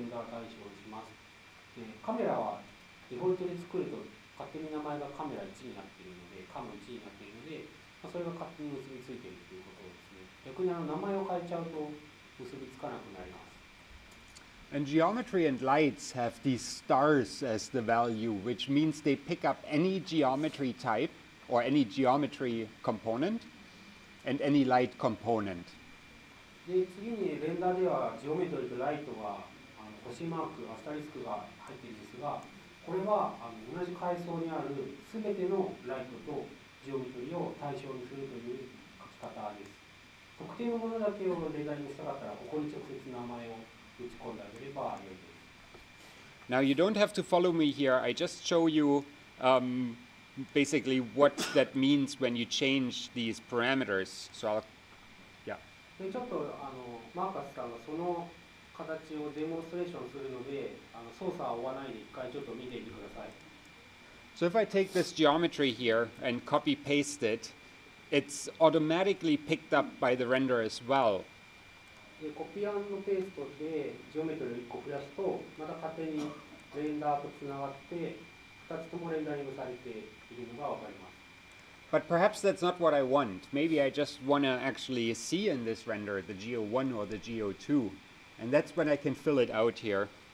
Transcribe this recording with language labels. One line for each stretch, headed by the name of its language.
Japanese: デフォルトで作ると勝手に名前がカメラ1になっているので、カム1になっているので、まあ、それが勝手に結びついているということですね。逆にあの名前を変えちゃうと結びつかなくなります。
English: And geometry and lights have these stars as the value, which means they pick up any geometry type or any geometry component and any light component.
Japanese: で次にレンダーではジオメトリとライトが星マーク、アスタリスクが入っているんですが、これはあの同じ階層にあるすべてのライトとジオメトリを対象にするという書き方です。特定のものだけをレンダリングしたかったら、ここに直接名前を打ち込んであげればよいです。
English: Now you don't have to follow me here. I just show you, basically what that means when you change these parameters. So I'll, yeah.
Japanese: でちょっとあのマーカスさんがその形をデモンストレーションするので、あの操作は追わないで一回ちょっと見てみてください。
English: So if I take this geometry here and copy paste it, it's automatically picked up by the render as well.
Japanese: で、コピー&ペーストでジオメトリを一個増やすと、また勝手にレンダーとつながって、二つともレンダリングされているのがわかります。
English: But perhaps that's not what I want. Maybe I just want to actually see in this render the Geo1 or the Geo2. And that's when I can fill it out here.